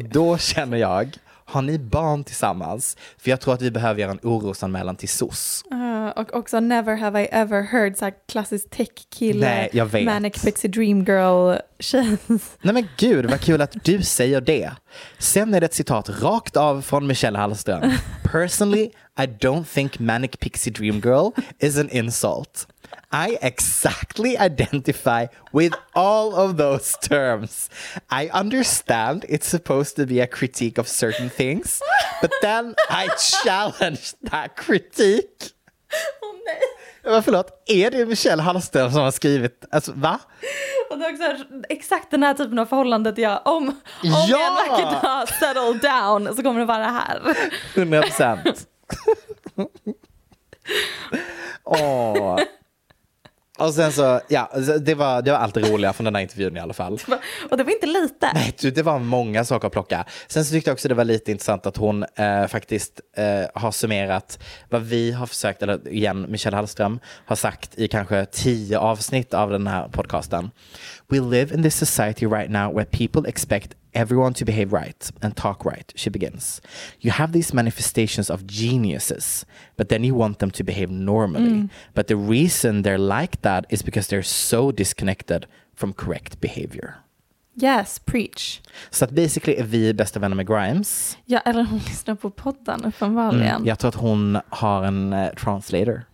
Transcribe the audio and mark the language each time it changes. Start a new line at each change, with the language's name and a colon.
Swedish: Och då känner jag, har ni barn tillsammans? För jag tror att vi behöver göra en orosanmälan till SOS. Och också
English: never have I ever heard
Swedish: så klassisk tech-kille. Nej, jag vet.
English: Manic pixie dream girl
Swedish: känns. Nej men gud, vad kul att du säger det. Sen är det ett citat rakt av från Michelle Hallström.
English: "Personally, I don't think manic pixie dream girl is an insult. I exactly identify with all of those terms. I understand it's supposed to be a critique of certain things, but then I challenge that critique."
Swedish: Åh, nej. Förlåt, är det Michelle Hallström som har skrivit? Alltså, va? Och det är också exakt den här typen av förhållandet jag, om jag verkligen har
English: settled down
Swedish: så kommer det vara här. 100%. Åh. Och sen så, ja, det var allt roliga från den här intervjun i alla fall. Och det var inte lite. Nej, det var många saker att plocka. Sen så tyckte jag också det var lite intressant att hon faktiskt har summerat vad vi har försökt, eller igen, Michelle Hallström har sagt i kanske 10 avsnitt av den här podcasten.
English: "We live in this society right now where people expect everyone to behave right and talk right, she begins. You have these manifestations of geniuses, but then you want them to behave normally. Mm. But the reason they're like that is because they're so disconnected from correct behavior. Yes, preach.
Swedish: Så att basically är vi bästa vänner med Grimes. Ja, eller hon lyssnar på podden uppenbarligen. Mm, jag tror att hon har en translator.